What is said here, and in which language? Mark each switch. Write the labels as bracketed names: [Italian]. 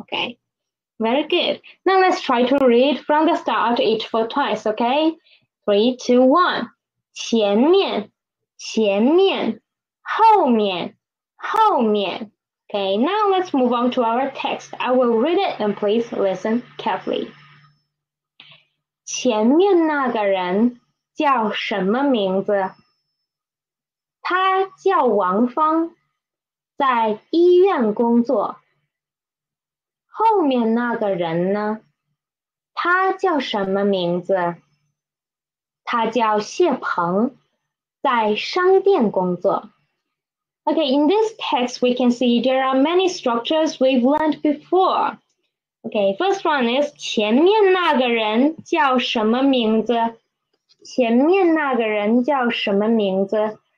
[English] Okay, very good. Now let's try to read from the start each for twice. Okay, 3, 2, 1. [Chinese] 前面, 前面. 后面, 后面. [English] Okay, now let's move on to our text. I will read it and please listen carefully. [Chinese] 前面那个人叫什么名字? 他叫王芳, 在医院工作。后面那个人呢?他叫什么名字? 他叫谢鹏, 在商店工作。 [English] Okay, in this text, we can see there are many structures we've learned before. Okay, first one is [Chinese] 前面那个人叫什么名字? 前面那个人叫什么名字?